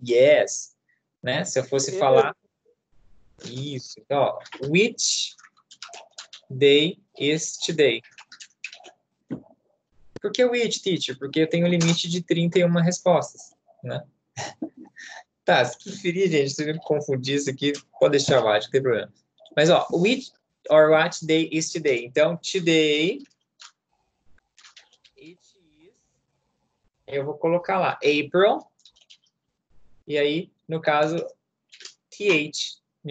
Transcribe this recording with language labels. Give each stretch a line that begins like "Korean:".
Portuguese: Yes. Né? Se eu fosse falar isso, então, ó,
English: which day is today?
Portuguese: Por que which, teacher? Porque eu tenho um limite de 31 respostas, né? Tá, se preferir, gente, se eu me confundir isso aqui, pode deixar lá, não tem problema. Mas, ó,
English: which or what day is today?
Portuguese: Então,
English: today it is,
Portuguese: eu vou colocar lá, April, e aí no caso, TH, né?